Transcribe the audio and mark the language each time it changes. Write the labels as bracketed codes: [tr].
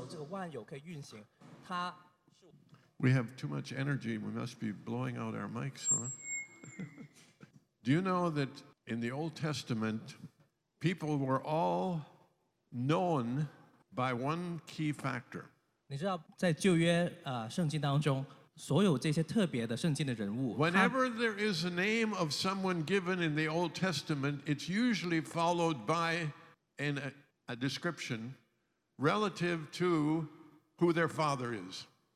[en] We have too much energy. We must be blowing out our mics, huh? Do you know that in the Old Testament, people were all known by one key factor? [zh] 你知道在旧约, 圣经当中, 所有这些特别的圣经的人物, [en] Whenever there is a name of someone given in the Old Testament, it's usually followed by a description relative to who their father is.